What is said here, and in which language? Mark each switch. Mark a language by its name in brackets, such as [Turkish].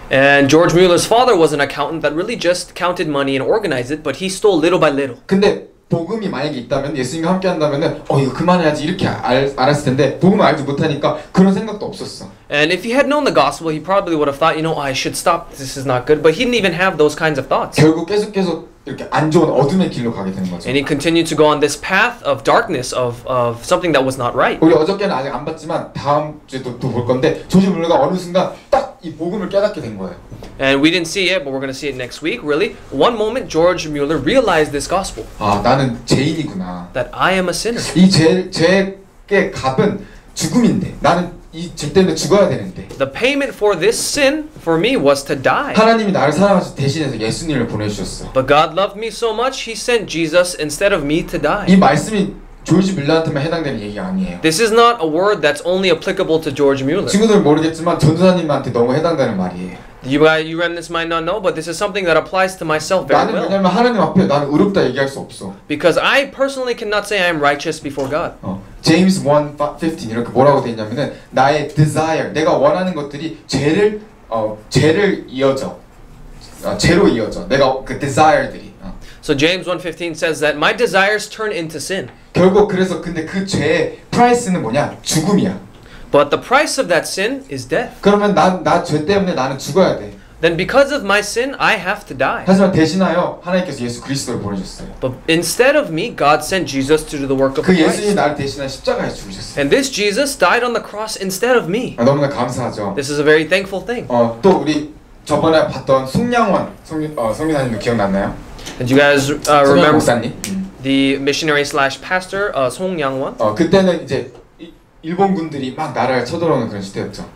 [English] And George Mueller's father was an accountant that really just counted money and organized it, but he stole little by little. [Korean] 근데 복음이 만약에 있다면 예수님과 함께 한다면은 이거 그만해야지 이렇게 알았을 텐데 복음을 알지 못하니까 그런 생각도 없었어. [English] And if he had known the gospel, he probably would have thought, you know, I should stop. This is not good. But he didn't even have those kinds of thoughts. [Korean] 결국 계속 이렇게 안 좋은 어둠의 길로 가게 되는 거죠. [English] And he continued to go on this path of darkness of something that was not right. [Korean] 우리 어저께는 아직 안 봤지만 다음 주에도 또 볼 건데 조지 뮬러가 어느 순간 딱 이 복음을 깨닫게 된 거예요. [English] And we didn't see it, but we're going to see it next week, really. One moment, George Mueller realized this gospel. [Korean] 아, 나는 죄인이구나. [English] That I am a sinner. [Korean] 이 죄의 값은 죽음인데, 나는 이 죄 때문에 죽어야 되는데. [English] The payment for this sin, for me, was to die. [Korean] 하나님이 나를 사랑해서 대신해서 예수님을 보내주셨어. [English] But God loved me so much, He sent Jesus instead of me to die. [Korean] 이 말씀이 조지 뮬러한테만 해당되는 얘기 아니에요. [English] This is not a word that's only applicable to George Mueller. [Korean] 친구들 모르겠지만 전도사님한테 너무 해당되는 말이에요. [English] You remnants might not know, but this is something that applies to myself very well. [Korean] 나는 왜냐면 하나님 앞에 나는 의롭다 얘기할 수 없어. [English] Because I personally cannot say I am righteous before God. [Korean] James 1:15 이렇게 뭐라고 돼 있냐면은 나의 desire, 내가 원하는 것들이 죄를 이어져. 죄로 이어져. 내가 그 desire들이. [English] So James 1:15 says that my desires turn into sin. [Korean] 결국 그래서 근데 그 죄의 price는 뭐냐? 죽음이야. [English] But the price of that sin is death. [Korean] 그러면 나 죄 때문에 나는 죽어야 돼. [English] Then because of my sin, I have to die. [Korean] 하지만 대신하여 하나님께서 예수 그리스도를 보내셨어요. [English] But instead of me, God sent Jesus to do the work of Christ. [Korean] 그 예수님이 나를 대신한 십자가에 죽으셨어요. [English] And this Jesus died on the cross instead of me. [Korean] 너무나 감사하죠. [English] This is a very thankful thing. [Korean] 또 우리 저번에 봤던 송량원 성민사님도 기억났나요? [English] And you guys remember [Korean] 목사님? [English] The missionary slash pastor Song Yangwon? [Korean] 그때는 이제 일본 군들이 막 나라를 쳐들어오는 그런 시대였죠.